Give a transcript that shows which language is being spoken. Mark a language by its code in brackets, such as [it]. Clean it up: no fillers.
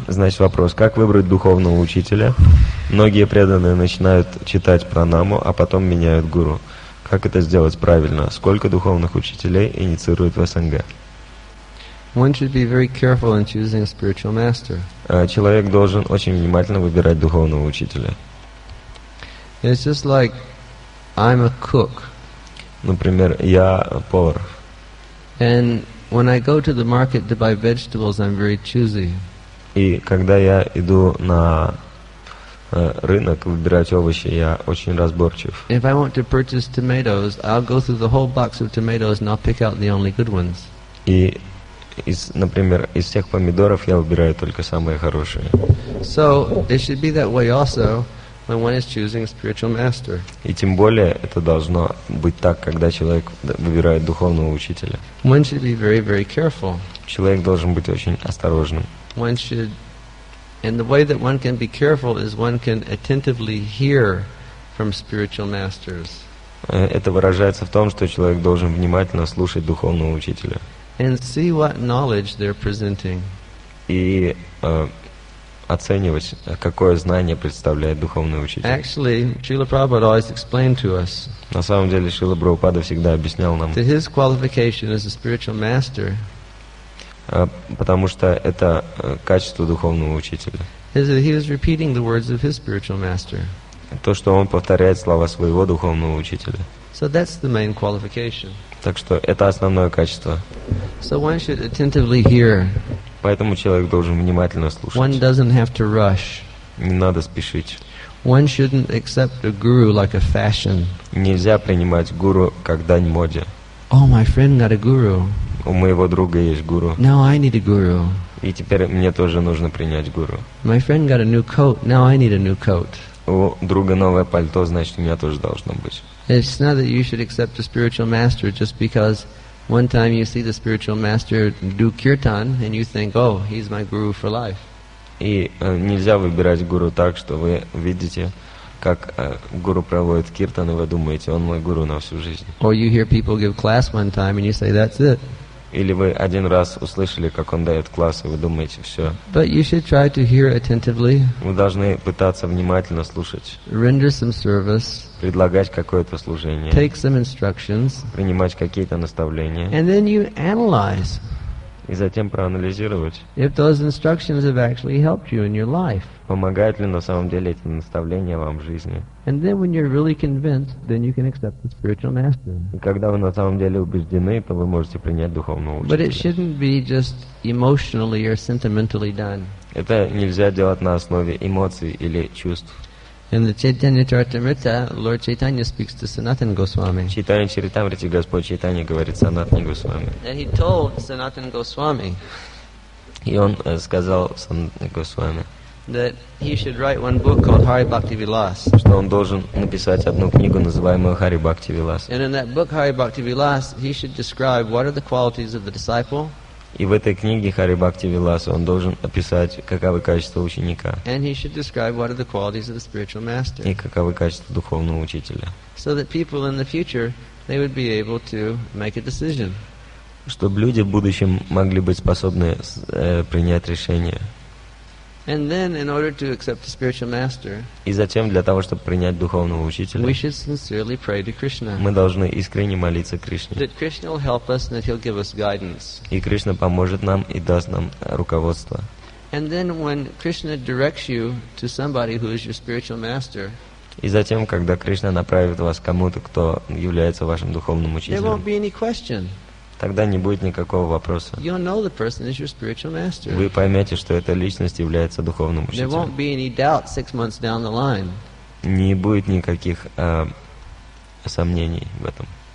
[ru] Значит, вопрос, как выбрать духовного учителя? Многие преданные начинают читать пранаму, а потом меняют гуру. Как это сделать правильно? Сколько духовных учителей инициируют в СНГ? [en] One should be very careful in choosing a spiritual master. [ru] Человек должен очень внимательно выбирать духовного учителя. [en] It's just like I'm a cook. [ru] Например, я повар. [en] And when I go to the market to buy vegetables, I'm very choosy. [ru] И когда я иду на рынок выбирать овощи, я очень разборчив. [en] If I want to purchase tomatoes, I'll go through the whole box of tomatoes and I'll pick out the only good ones. [ru] И из, например, из всех помидоров я выбираю только самые хорошие. [en] So it should be that way also when one is choosing a spiritual master. [ru] И тем более это должно быть так, когда человек выбирает духовного учителя. [en] One should be very, very careful. [ru] Человек должен быть очень осторожным. [en] One should, and the way that one can be careful is one can attentively hear from spiritual masters. [ru] Это выражается в том, что человек должен внимательно слушать духовного учителя. [en] And see what knowledge they're presenting. [ru] И оценивать, какое знание представляет духовный учитель. [en] Actually, Srila Prabhupada always explained to us. [ru] На самом деле, Шрила Прабхупада всегда объяснял нам. [en] That his qualification as a spiritual master. [ru] Потому что это качество духовного учителя. [en] Is that he was repeating the words of his spiritual master. [ru] То, что он повторяет слова своего духовного учителя. [en] So that's the main qualification. [ru] Так что это основное качество. [en] So one should attentively hear. [ru] Поэтому человек должен внимательно слушать. [en] One doesn't have to rush. [ru] Не надо спешить. [en] One shouldn't accept a guru like a fashion. [ru] Нельзя принимать гуру как дань моде. [en] Oh, my friend got a guru. [ru] У моего друга есть гуру. [en] Now I need a guru. [ru] И теперь мне тоже нужно принять гуру. [en] My friend got a new coat. Now I need a new coat. [ru] У друга новое пальто, значит, у меня тоже должно быть. [en] It's not that you should accept a spiritual master just because one time you see the spiritual master do kirtan and you think, oh, he's my guru for life. [ru] И нельзя выбирать гуру так, что вы видите, как гуру проводит киртан, и вы думаете, он мой гуру на всю жизнь. [en] Or you hear people give class one time and you say that's it. [ru] Или вы один раз услышали, как он дает класс, и вы думаете, все. [en] But you should try to hear attentively. [ru] Вы должны пытаться внимательно слушать. [en] Render some service. [ru] Предлагать какое-то служение. [en] Take some instructions. [ru] Принимать какие-то наставления. [en] And then you analyze. [ru] И затем проанализировать. [en] If those instructions have actually helped you in your life. [ru] Помогают ли на самом деле эти наставления вам в жизни? [en] And then when you're really convinced, then you can accept the spiritual master. [ru] И когда вы на самом деле убеждены, то вы можете принять духовного учителя. [en] But it shouldn't be just emotionally or sentimentally done. [ru] Это нельзя делать на основе эмоций или чувств. [en] In the Chaitanya Charitamrita, Lord Chaitanya speaks to Sanatana Goswami. [ru] Читая Чайтанья, Господь Чайтанья говорит Санатане Госвами. [en] And he told Sanatana Goswami. [ru] И он сказал Санатане Госвами. [en] That he should write one book called Hari Bhakti Vilas. [ru] Что он должен написать одну книгу, называемую Hari Bhakti Vilas. [en] And in that book Hari Bhakti Vilas, he should describe what are the qualities of the disciple. [ru] И в этой книге Хари Бхакти Виласа он должен описать, каковы качества ученика. [en] And he should describe what are the qualities of the spiritual master. [ru] И каковы качества духовного учителя. [en] So that people in the future they would be able to make a decision. [ru] Чтобы люди в будущем могли быть способны принять решение. [en] And then, in order to accept the spiritual master, [ru] и затем для того, чтобы принять духовного учителя, [en] we should sincerely pray to Krishna. [ru] Мы должны искренне молиться Кришне. [en] That Krishna will help us and that He'll give us guidance. [ru] И Кришна поможет нам и даст нам руководство. [en] And then, when Krishna directs you to somebody who is your spiritual master, [ru] и затем, когда Кришна направит вас кому-то, кто является вашим духовным учителем, [en] there won't be any question. [ru] Тогда не будет никакого вопроса. Вы поймете, что эта личность является духовным учителем. Не будет никаких сомнений в этом.